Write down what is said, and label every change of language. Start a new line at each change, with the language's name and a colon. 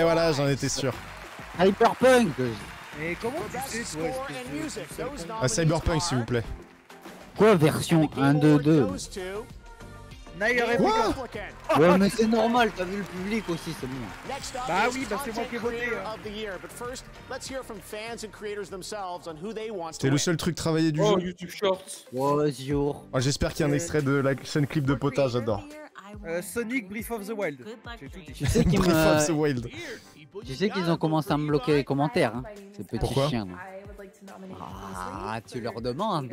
French: Eh voilà, j'en étais sûr. Cyberpunk. Mais comment tu sais toi, Cyberpunk, s'il vous plaît. Quoi, version 1.2.2 ? Quoi ? Ouais, mais c'est normal, t'as vu le public aussi, c'est bon. Bah oui, bah c'est moi qui ai voté.
English: But first, let's hear from fans and creators themselves on who they want.
French: C'était le seul truc travaillé du jeu. Oh, YouTube Shorts.
English: Was your...
French: Oh, j'espère qu'il y a un extrait de la chaîne clip de Pota, j'adore. Sonic Breath of the Wild. Tu sais qu'ils ont commencé à me bloquer les commentaires, hein, ces petits pourquoi chiens. Là. Ah, tu leur demandes.